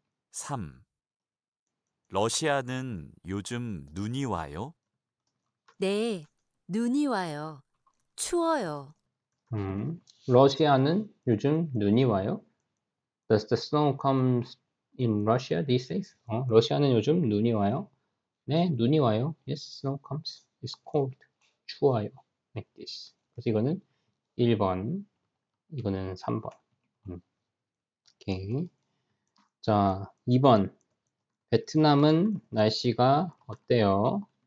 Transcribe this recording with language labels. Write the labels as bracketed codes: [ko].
[ko] 3. 러시아는 요즘 눈이 와요? 네, 눈이 와요. 추워요. 러시아는 요즘 눈이 와요? [en] Does the snow comes in Russia these days? [ko] 러시아는 요즘 눈이 와요? 네, 눈이 와요. [en] Yes, snow comes. It's cold. [ko] 추워요. [en] Like this. [ko] 그래서 이거는 1번, 이거는 3번. 오케이. 자, 2번. 베트남은 날씨가 어때요?